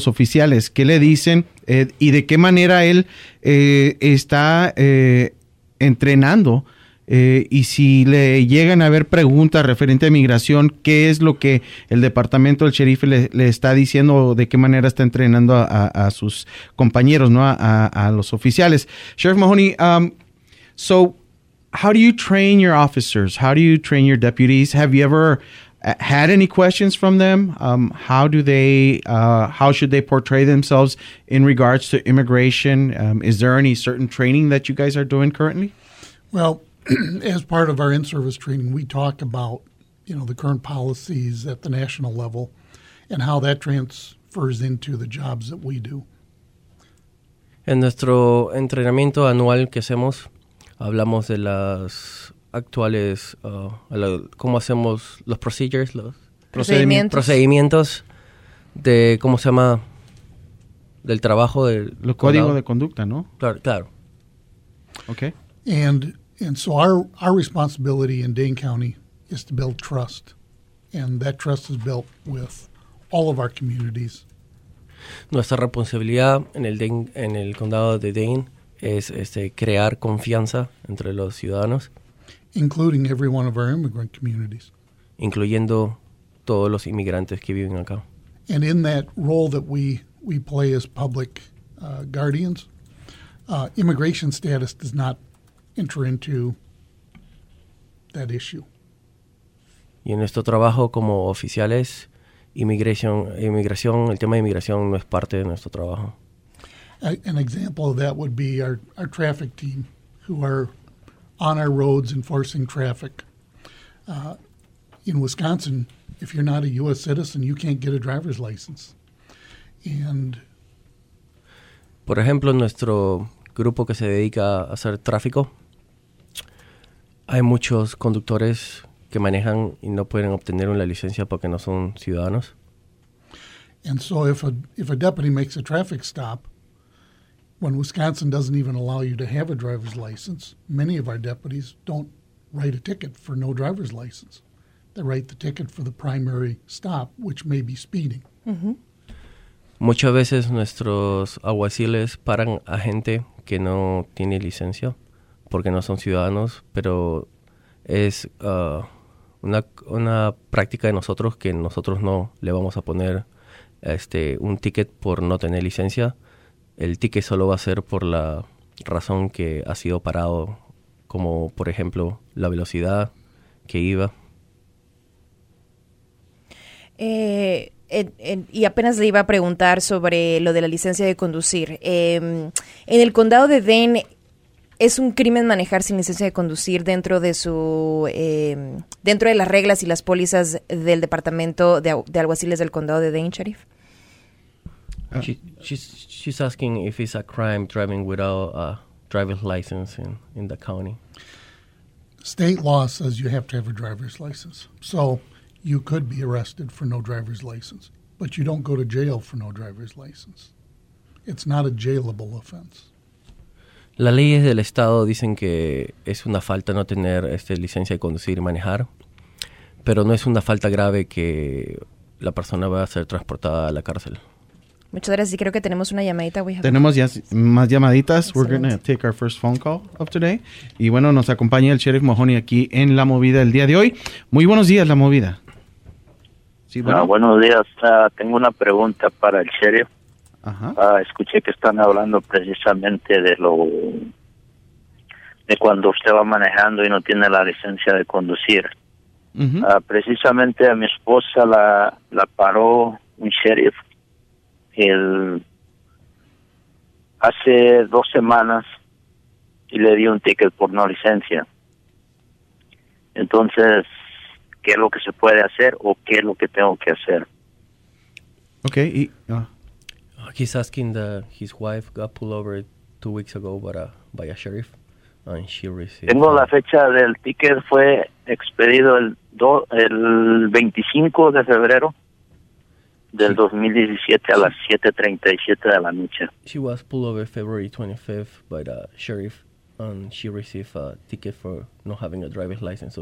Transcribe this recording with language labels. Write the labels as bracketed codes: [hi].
[es] Los oficiales, ¿qué le dicen y de qué manera él está entrenando? Y si le llegan a haber preguntas referente a migración, ¿qué es lo que el departamento del sheriff le está diciendo o de qué manera está entrenando a sus compañeros, ¿no? A los oficiales. [en] Sheriff Mahoney, so how do you train your officers? How do you train your deputies? Have you ever had any questions from them? How should they portray themselves in regards to immigration? Is there any certain training that you guys are doing currently? Well, as part of our in-service training, we talk about, you know, the current policies at the national level and how that transfers into the jobs that we do. [es] En nuestro entrenamiento anual que hacemos, hablamos de las actuales, cómo hacemos los procedures, los procedimientos de, ¿cómo se llama?, del trabajo del código de conducta, ¿no? Claro. [en] Okay. And so our responsibility in Dane County is to build trust, and that trust is built with all of our communities. [es] Nuestra responsabilidad en el condado de Dane es crear confianza entre los ciudadanos. [en] Including every one of our immigrant communities. [es] Incluyendo todos los inmigrantes que viven acá. [en] And in that role that we play as public guardians, immigration status does not enter into that issue. [es] Y en nuestro trabajo como oficiales, el tema de inmigración no es parte de nuestro trabajo. [en] An example of that would be our traffic team, who are on our roads enforcing traffic. In Wisconsin, if you're not a U.S. citizen, you can't get a driver's license. And [es] por ejemplo, nuestro grupo que se dedica a hacer tráfico, hay muchos conductores que manejan y no pueden obtener una licencia porque no son ciudadanos. [en] And so if a deputy makes a traffic stop, when Wisconsin doesn't even allow you to have a driver's license, many of our deputies don't write a ticket for no driver's license. They write the ticket for the primary stop, which may be speeding. [es] Muchas veces nuestros alguaciles paran a gente que no tiene licencia porque no son ciudadanos, pero es una práctica de nosotros que nosotros no le vamos a poner un ticket por no tener licencia. El ticket solo va a ser por la razón que ha sido parado, como por ejemplo la velocidad que iba. Y apenas le iba a preguntar sobre lo de la licencia de conducir. En el condado de Dane, ¿es un crimen manejar sin licencia de conducir dentro de su dentro de las reglas y las pólizas del departamento de alguaciles del condado de Dane, Sheriff? [en] She's asking if it's a crime driving without a driver's license in the county. State law says you have to have a driver's license. So you could be arrested for no driver's license, but you don't go to jail for no driver's license. It's not a jailable offense. [es] Las leyes del estado dicen que es una falta no tener licencia de conducir y manejar, pero no es una falta grave que la persona va a ser transportada a la cárcel. Muchas gracias. Y creo que tenemos una llamadita. Tenemos ya más llamaditas. Excelente. [en] We're going to take our first phone call of today. [es] Y bueno, nos acompaña el Sheriff Mahoney aquí en La Movida el día de hoy. Muy buenos días, La Movida. Sí, bueno. Buenos días. Tengo una pregunta para el Sheriff. Ajá. Escuché que están hablando precisamente de cuando usted va manejando y no tiene la licencia de conducir. Uh-huh. Precisamente a mi esposa la paró un sheriff hace 2 semanas y le dio un ticket por no licencia. Entonces, ¿qué es lo que se puede hacer o qué es lo que tengo que hacer? [en] Okay, He's asking his wife got pulled over 2 weeks ago by a sheriff, and she received. [es] Tengo la fecha del ticket, fue expedido el 25 de febrero del 2017 a las 7:37 de la noche. [en] She was pulled over February 25th by the sheriff, and she received a ticket for not having a driver's license.